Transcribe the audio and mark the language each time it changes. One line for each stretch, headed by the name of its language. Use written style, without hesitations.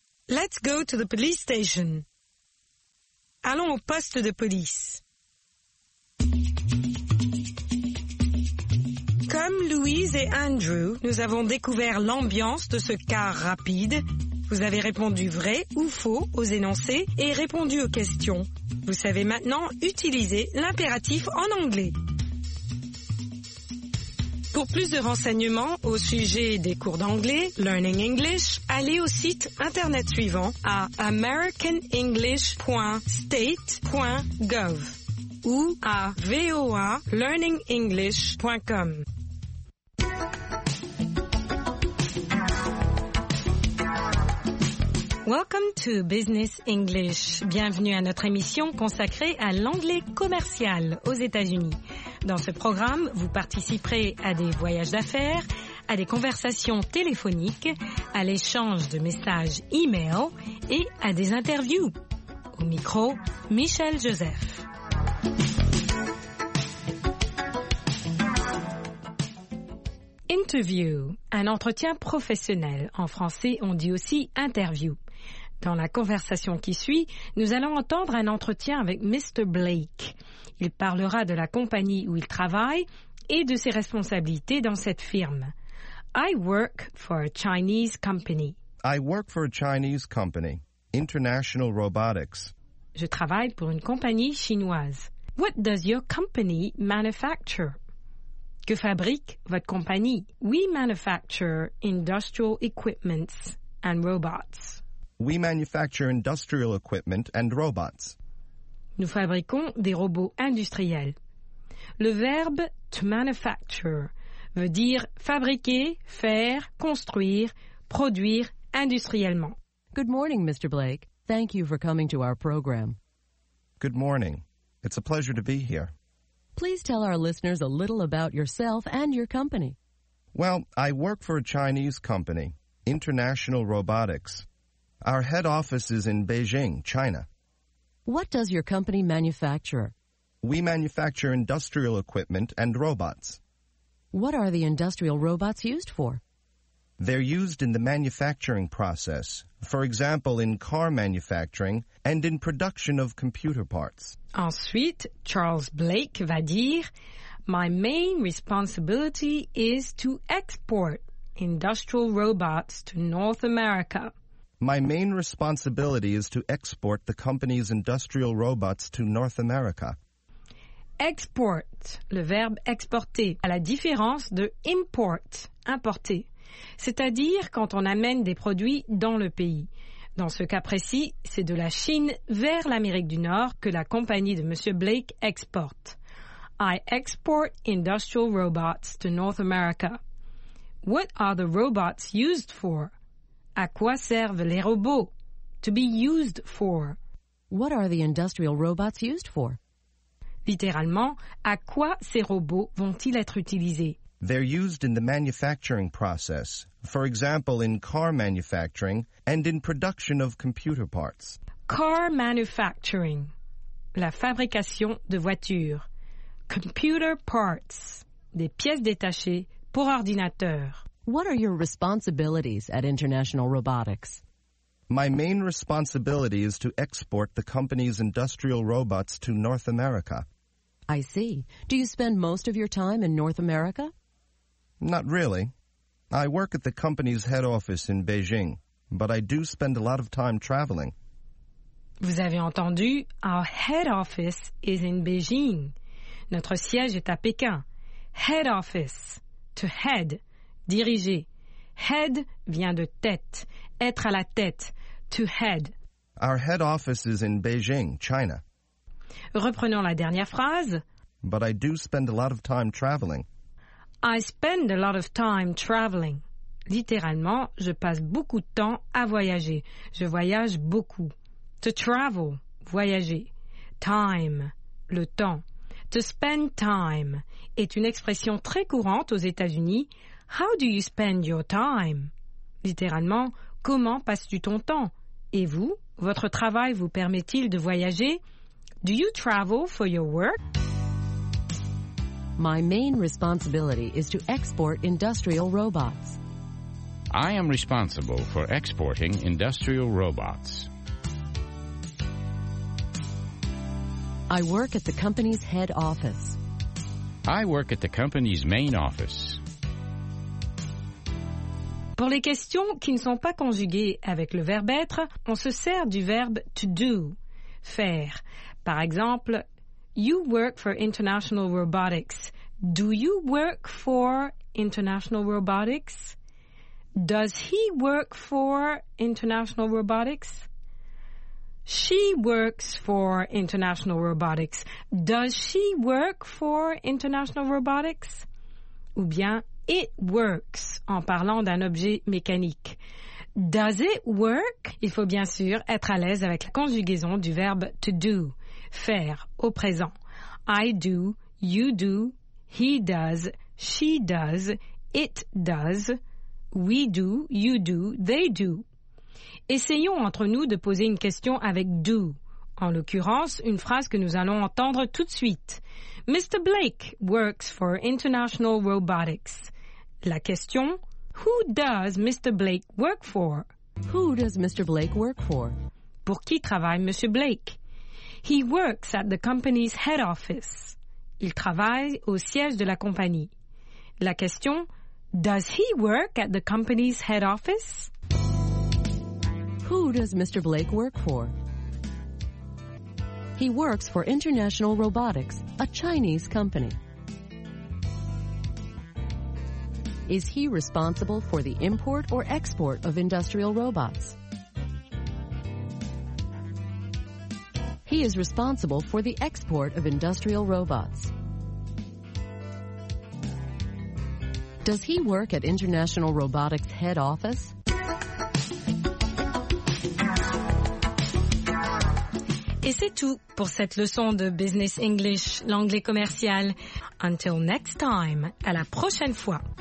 English: Let's go to the police station.
French: Allons au poste de police. Comme Louise et Andrew, nous avons découvert l'ambiance de ce car rapide. Vous avez répondu vrai ou faux aux énoncés et répondu aux questions. Vous savez maintenant utiliser l'impératif en anglais. Pour plus de renseignements au sujet des cours d'anglais, Learning English, allez au site internet suivant à americanenglish.state.gov ou à voalearningenglish.com.
English: Welcome to Business English.
French: Bienvenue à notre émission consacrée à l'anglais commercial aux États-Unis. Dans ce programme, vous participerez à des voyages d'affaires, à des conversations téléphoniques, à l'échange de messages e-mail et à des interviews. Au micro, Michel Joseph. Interview, un entretien professionnel. En français, on dit aussi interview. Dans la conversation qui suit, nous allons entendre un entretien avec Mr. Blake. Il parlera de la compagnie où il travaille et de ses responsabilités dans cette firme.
English: I work for a Chinese company. I work for a Chinese company, International Robotics.
French: Je travaille pour une compagnie chinoise.
English: What does your company manufacture?
French: Que fabrique votre compagnie?
English: We manufacture industrial equipment and robots. We manufacture industrial equipment and robots.
French: Nous fabriquons des robots industriels. Le verbe to manufacture veut dire fabriquer, faire, construire, produire industriellement.
English: Good morning, Mr. Blake. Thank you for coming to our program. Good morning. It's a pleasure to be here. Please tell our listeners a little about yourself and your company. Well, I work for a Chinese company, International Robotics. Our head office is in Beijing, China. What does your company manufacture? We manufacture industrial equipment and robots. What are the industrial robots used for? They're used in the manufacturing process, for example, in car manufacturing and in production of computer parts.
French: Ensuite, Charles Blake va dire,
English: My main responsibility is to export industrial robots to North America. My main responsibility is to export the company's industrial robots to North America.
French: Export, le verbe exporter, à la différence de import, importer, c'est-à-dire quand on amène des produits dans le pays. Dans ce cas précis, c'est de la Chine vers l'Amérique du Nord que la compagnie de Monsieur Blake exporte.
English: I export industrial robots to North America. What are the robots used for?
French: À quoi servent les robots?
English: To be used for. What are the industrial robots used for?
French: Littéralement, à quoi ces robots vont-ils être utilisés?
English: They're used in the manufacturing process. For example, in car manufacturing and in production of computer parts. Car manufacturing.
French: La fabrication de voitures.
English: Computer parts.
French: Des pièces détachées pour ordinateur.
English: What are your responsibilities at International Robotics? My main responsibility is to export the company's industrial robots to North America. I see. Do you spend most of your time in North America? Not really. I work at the company's head office in Beijing, but I do spend a lot of time traveling.
French: Vous avez entendu,
English: our head office is in Beijing.
French: Notre siège est à Pékin.
English: Head office, to head.
French: Diriger. Head vient de tête. Être à la tête. To head.
English: Our head office is in Beijing, China.
French: Reprenons la dernière phrase.
English: But I do spend a lot of time traveling. I spend a lot of time traveling.
French: Littéralement, je passe beaucoup de temps à voyager. Je voyage beaucoup. To travel, voyager. Time, le temps. To spend time est une expression très courante aux États-Unis.
English: How do you spend your time?
French: Littéralement, comment passes-tu ton temps? Et vous, votre travail vous permet-il de voyager?
English: Do you travel for your work? My main responsibility is to export industrial robots. I am responsible for exporting industrial robots. I work at the company's head office. I work at the company's main office.
French: Pour les questions qui ne sont pas conjuguées avec le verbe être, on se sert du verbe to do, faire. Par exemple,
English: you work for International Robotics. Do you work for International Robotics? Does he work for International Robotics? She works for International Robotics. Does she work for International Robotics?
French: Ou bien,
English: it works,
French: en parlant d'un objet mécanique.
English: Does it work?
French: Il faut bien sûr être à l'aise avec la conjugaison du verbe to do, faire, au présent.
English: I do, you do, he does, she does, it does, we do, you do, they do.
French: Essayons entre nous de poser une question avec do. En l'occurrence, une phrase que nous allons entendre tout de suite.
English: Mr. Blake works for International Robotics.
French: La question,
English: who does Mr. Blake work for? Who does Mr. Blake work for?
French: Pour qui travaille Monsieur Blake?
English: He works at the company's head office.
French: Il travaille au siège de la compagnie. La question,
English: does he work at the company's head office? Who does Mr. Blake work for? He works for International Robotics, a Chinese company. Is he responsible for the import or export of industrial robots? He is responsible for the export of industrial robots. Does he work at International Robotics head office?
French: Et c'est tout pour cette leçon de Business English, l'anglais commercial.
English: Until next time,
French: à la prochaine fois.